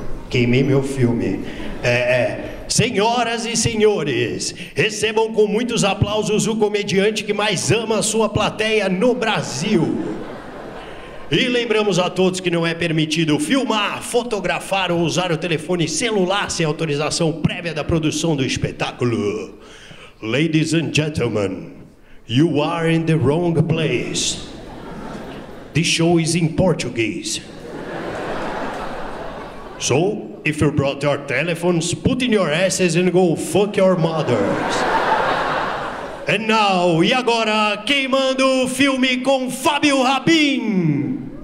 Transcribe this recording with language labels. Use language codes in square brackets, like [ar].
[pt] Queimei meu filme. Senhoras e senhores, recebam com muitos aplausos o comediante que mais ama a sua plateia no Brasil. E lembramos a todos que não é permitido filmar, fotografar ou usar o telefone celular sem autorização prévia da produção do espetáculo. [en] Ladies and gentlemen, you are in the wrong place. The show is in Portuguese. So, if you brought your telephones, put in your asses and go fuck your mothers. And now, [pt] e agora, queimando o filme com Fábio Rabin.